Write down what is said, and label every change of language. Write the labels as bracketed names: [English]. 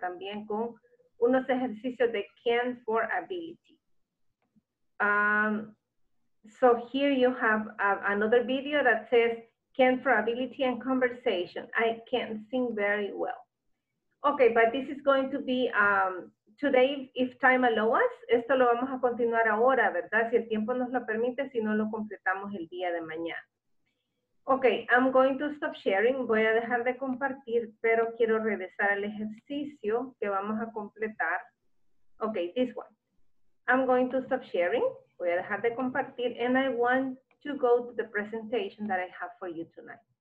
[Spanish] También con unos ejercicios de can for ability. [English] So here you have another video that says, can for ability and conversation. I can't sing very well. Okay, but this is going to be today, if time allows us. [Spanish] Esto lo vamos a continuar ahora, ¿verdad? Si el tiempo nos lo permite, si no lo completamos el día de mañana. [English] Okay, I'm going to stop sharing. [Spanish] Voy a dejar de compartir, pero quiero regresar al ejercicio que vamos a completar. [English] Okay, this one. I'm going to stop sharing. [Spanish] Voy a dejar de compartir, [English] and I want to go to the presentation that I have for you tonight.